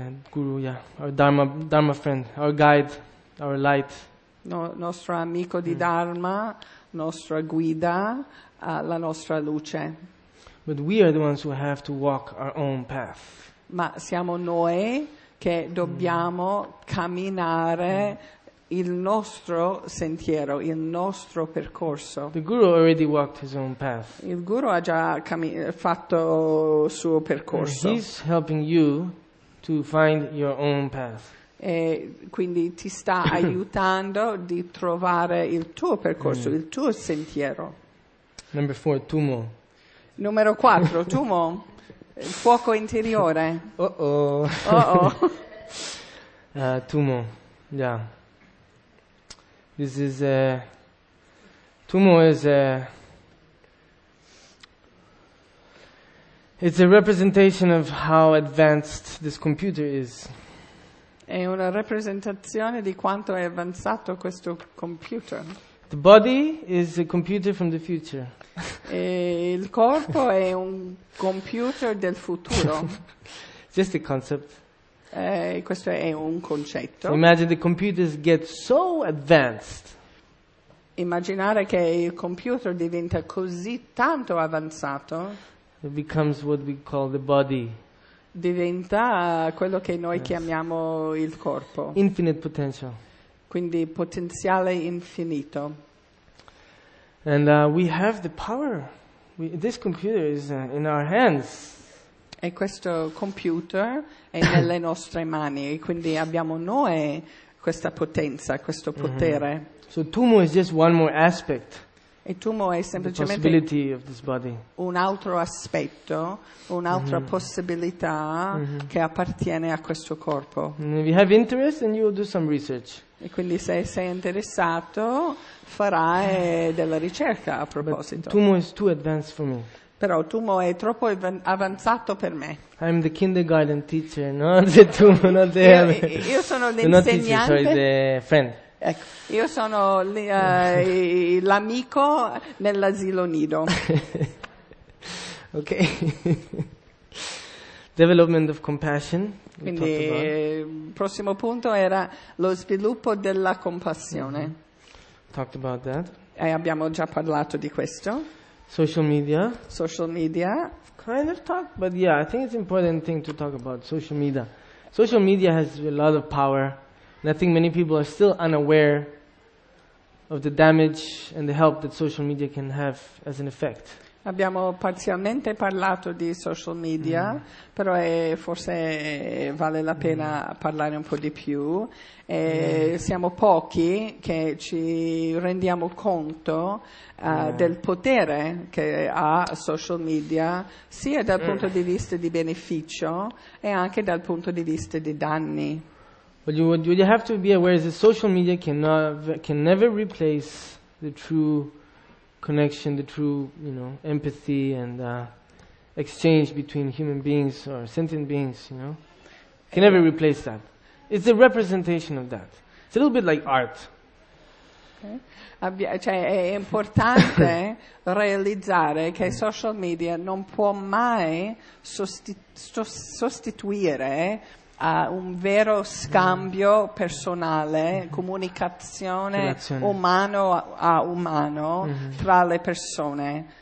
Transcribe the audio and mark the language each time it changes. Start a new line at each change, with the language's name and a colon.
English: Guru, yeah, our dharma friend, our guide, our light.
Italian: No, nostro amico di dharma, nostra guida, la nostra luce.
English: But we are the ones who have to walk our own path.
Italian: Ma siamo noi che dobbiamo camminare il nostro sentiero, il nostro percorso.
English: The guru already walked his own path.
Italian: Il guru ha già fatto suo percorso.
English: And he's helping you to find your own path.
Italian: E quindi ti sta aiutando di trovare il tuo percorso, il tuo sentiero.
English: Number 4, tumo.
Italian: Numero 4, tumo. Il fuoco interiore.
English: Tumo. Yeah. This is a tumo is a it's a representation of how advanced this computer is.
Italian: È una rappresentazione di quanto è avanzato questo computer.
English: The body is a computer from the future.
Italian: E il corpo è un computer del futuro.
English: Just a concept.
Italian: Questo è un concetto.
English: So imagine the computers get so advanced.
Italian: Immaginare che il computer diventa così tanto avanzato.
English: It becomes what we call the body.
Italian: Diventa quello che noi chiamiamo il corpo.
English: Infinite potential.
Italian: Quindi potenziale infinito.
English: And we have the power. This computer is in our hands.
Italian: E questo computer è nelle nostre mani. E quindi abbiamo noi questa potenza, questo potere.
English: So tumo is just one more aspect.
Italian: E tumo è semplicemente
English: the possibility of this body.
Italian: Un altro aspetto, un'altra possibilità che appartiene a questo corpo.
English: And if you have interest, then you will do some research.
Italian: E quindi se sei interessato, farai della ricerca a proposito.
English: But tumo is too advanced for me.
Italian: Però tumo è troppo avanzato per me.
English: I'm the kindergarten teacher, not the tumo, not the
Italian: io sono l'insegnante.
English: Not teacher, sorry, the friend.
Italian: Ecco, io sono l'amico nell'asilo nido.
English: Ok. Development of compassion.
Italian: Quindi il prossimo punto era lo sviluppo della compassione.
English: Talked about that.
Italian: E abbiamo già parlato di questo.
English: Social media. Social media. Kind of talk, but yeah, I think it's an important thing to talk about, social media. Social media has a lot of power. And I think many people are still unaware of the damage and the help that social media can have as an effect.
Italian: Abbiamo parzialmente parlato di social media, però forse vale la pena parlare un po' di più. Siamo pochi che ci rendiamo conto del potere che ha social media, sia dal punto di vista di beneficio e anche dal punto di vista di danni.
English: But what you have to be aware is that social media can never replace the true connection, the true, you know, empathy and exchange between human beings or sentient beings, you know, can never replace that. It's a representation of that. It's a little bit like art. Okay.
Italian: Cioè è importante realizzare che i social media non può mai sostituire un vero scambio personale, comunicazione umano a umano tra le persone.